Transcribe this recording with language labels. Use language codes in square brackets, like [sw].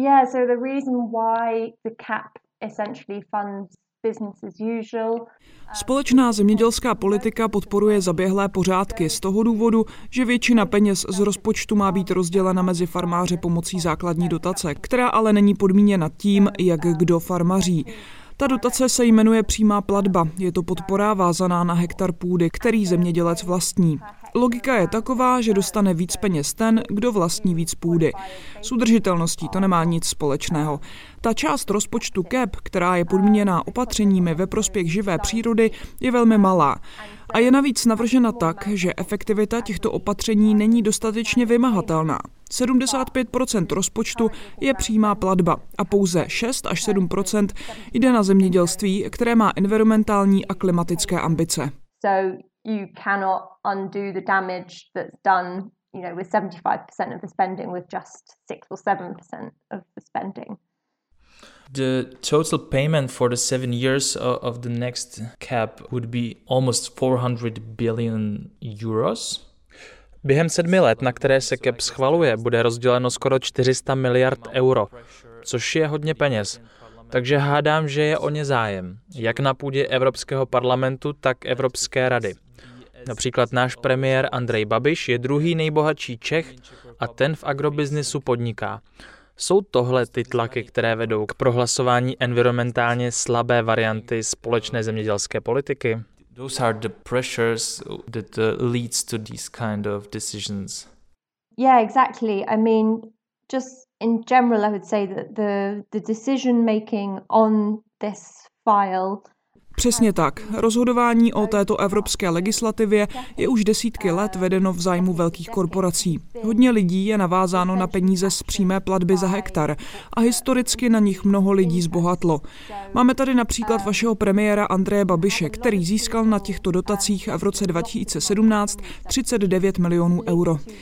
[en] So the reason why the CAP essentially funds business as usual. [cs] Společná zemědělská politika podporuje zaběhlé pořádky z toho důvodu, že většina peněz z rozpočtu má být rozdělena mezi farmáře pomocí základní dotace, která ale není podmíněna tím, jak kdo farmaří. Ta dotace se jmenuje přímá platba. Je to podpora vázaná na hektar půdy, který zemědělec vlastní. Logika je taková, že dostane víc peněz ten, kdo vlastní víc půdy. S udržitelností to nemá nic společného. Ta část rozpočtu CAP, která je podmíněná opatřeními ve prospěch živé přírody, je velmi malá. A je navíc navržena tak, že efektivita těchto opatření není dostatečně vymahatelná. 75% rozpočtu je přímá platba a pouze 6 až 7% jde na zemědělství, které má environmentální a klimatické ambice. [en] You cannot undo the damage that's done, you know, with 75% of the spending with just 6 or 7% of the spending. The total payment for the 7 years of the next cap would be almost 400 billion euros. [cs] Během 7 let, na které se CAP schvaluje, bude rozděleno skoro 400 miliard euro, což je hodně peněz. Takže hádám, že je o ně zájem, jak na půdě Evropského parlamentu, tak Evropské rady. Například náš premiér Andrej Babiš je druhý nejbohatší Čech a ten v agrobiznisu podniká. Jsou tohle ty tlaky, které vedou k prohlasování environmentálně slabé varianty společné zemědělské politiky? [en] Those are the pressures that leads to these kind of decisions. Yeah, exactly. I mean, just in general, I would say that the decision making on this file. [cs] Přesně tak. Rozhodování o této evropské legislativě je už desítky let vedeno v zájmu velkých korporací. Hodně lidí je navázáno na peníze z přímé platby za hektar a historicky na nich mnoho lidí zbohatlo. Máme tady například vašeho premiéra Andreje Babiše, který získal na těchto dotacích v roce 2017 39 milionů euro.